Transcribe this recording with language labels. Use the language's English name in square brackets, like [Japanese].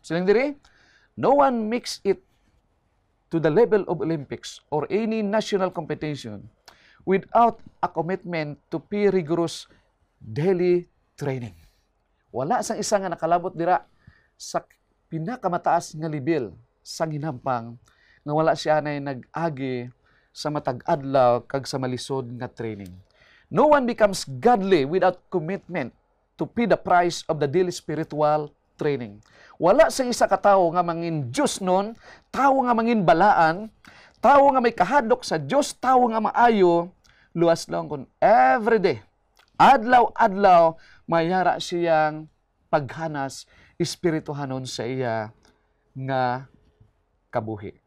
[Hiligaynon] Siling diri, [English] no one makes it to the level of Olympics or any national competition without a commitment to peer rigorous daily training. [Hiligaynon] Wala sang isa nga nakalabot dira sa pinakamataas nga level sa hinampang nga wala siya nay nag-agi sa matag-adlaw kag sa malisod nga training. [English] No one becomes godly without commitment to pay the price of the daily spiritual training. [Hiligaynon] Wala sa isa ka tawo nga mangin Diyos nun, tawo nga mangin balaan, tawo nga may kahadlok sa Diyos, tawo nga maayo, luwas lang kung everyday, adlaw-adlaw, mayara siyang paghanas espirituhanon sa iya nga kabuhi.